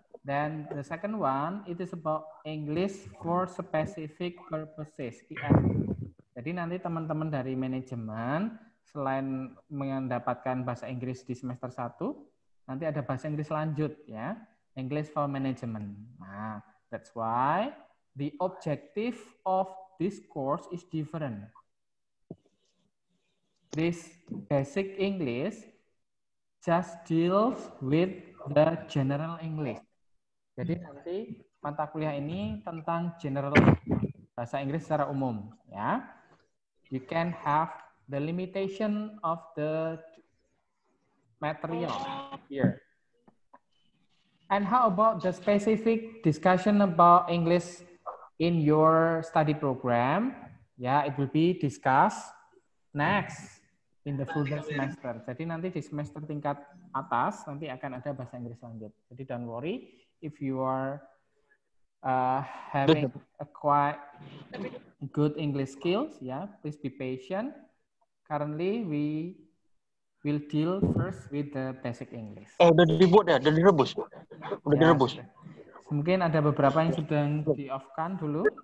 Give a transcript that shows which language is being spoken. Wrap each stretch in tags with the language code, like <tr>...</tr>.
<en>Then the second one, it is about English for specific purposes. EM.</en> <id>Jadi nanti teman-teman dari manajemen, selain mendapatkan bahasa Inggris di semester 1, nanti ada bahasa Inggris lanjut, ya.</id> <en>English for management. Nah, that's why the objective of this course is different. This basic English just deals with the general English.</en> <id>Jadi nanti mata kuliah ini tentang general bahasa Inggris secara umum, ya.</id> <en>You can have the limitation of the material here. And how about the specific discussion about English in your study program? Ya, it will be discussed next in the further semester.</en> <id>Jadi nanti di semester tingkat atas nanti akan ada bahasa Inggris lanjut. Jadi</id> <en>don't worry. If you are having a quite good English skills, yeah, please be patient. Currently, we will deal first with the basic English.</en> <id>Oh, udah dibuat ya, udah direbus. Udah direbus. Sudah. Mungkin ada beberapa yang sedang di-off-kan dulu.</id>